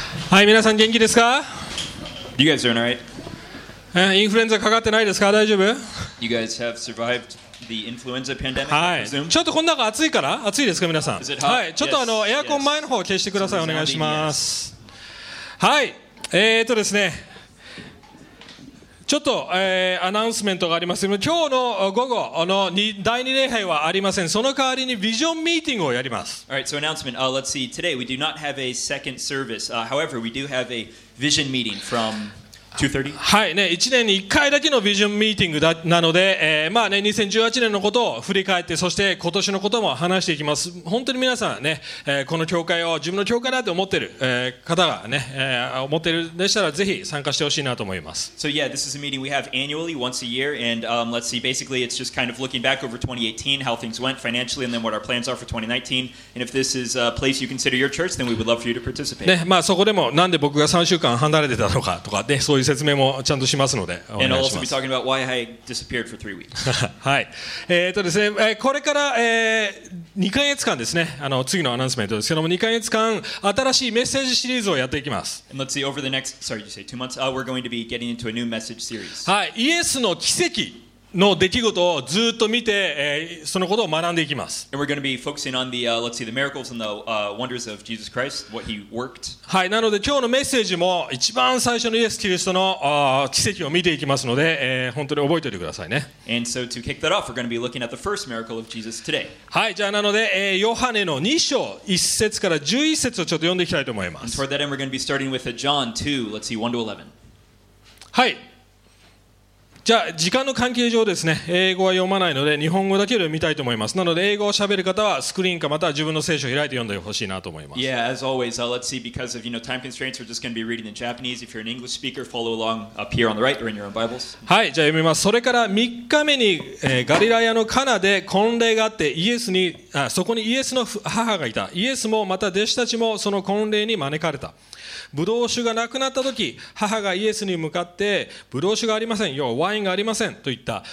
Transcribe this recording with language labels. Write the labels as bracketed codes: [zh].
[ja] はい、皆さん元気ですか? [en] You guys doing alright? [ja] インフルエンザかかってないですか? 大丈夫? [en] You guys have survived the influenza pandemic? [ja] はい、ちょっとこの中暑いから、暑いですか皆さん? [en] Is it hot? [ja] はい、ちょっとエアコン前の方を消してください、お願いします。はい、ですね。ちょっと、アナウンスメントがあります。今日の午後の第2礼拝はありません。その代わりにビジョンミーティングをやります。 [en] All right, so announcement. Let's see. Today we do not have a second service. However, we do have a vision meeting from 2:30. [ja] はい、ね、1年に1回だけのビジョンミーティングなので、まあね、2018年のことを振り返って、そして今年のことも話していきます。本当に皆さんね、この教会を自分の教会だと思っている、方がね、思っているでしたら、ぜひ参加してほしいなと思います。 [en] So yeah, this is a meeting we have annually, once a year, and let's see, basically it's just kind of looking back over 2018, how things went financially, and then what our plans are for 2019. And if this is a place you consider your church, then we would love for you to participate. [ja] ね、まあそこでもなんで僕が3週間離れてたのかとかで、ね、そういう説明もちゃんとしますので、 [en] And I'll also be talking about why I disappeared for three weeks. [ja] はい。ですね、これから、2ヶ月間ですね、次のアナウンスメントですけども、2ヶ月間新しいメッセージシリーズをやっていきます。 [en] And let's see, over the next, sorry, you say two months, we're going to be getting into a new message series. [ja] はい。イエスの奇跡の出来事をずっと見て、そのことを学んでいきます。 [en] And we're going to be focusing on the, let's see, the miracles and the, wonders of Jesus Christ, what he worked. [ja] はい、なので今日のメッセージも一番最初のイエス・キリストの、奇跡を見ていきますので、本当に覚えておいてくださいね。 [en] And so to kick that off, we're going to be looking at the first miracle of Jesus today. [ja] はい、じゃあなので、ヨハネの2章1節から11節をちょっと読んでいきたいと思います。 [en] And for that end, we're going to be starting with a John 2, let's see, 1 to 11. [ja] はい。じゃあ時間の関係上ですね、英語は読まないので日本語だけで読みたいと思います。なので英語を喋る方はスクリーンかまたは自分の聖書を開いて読んでほしいなと思います。 [en] Yeah, as always, let's see, because of, you know, time constraints, we're just going to be reading in Japanese. If you're an English speaker, follow along up here on the right or in your own Bibles. [ja] はい、じゃあ読みます。それから3日目に、ガリラヤのカナで婚礼があって、イエスに、そこにイエスの母がいた。イエスもまた弟子たちもその婚礼に招かれた。ブドウ酒がなくなったとき、母がイエスに向かって、ブドウ酒がありません、要はワインがありませんと言った。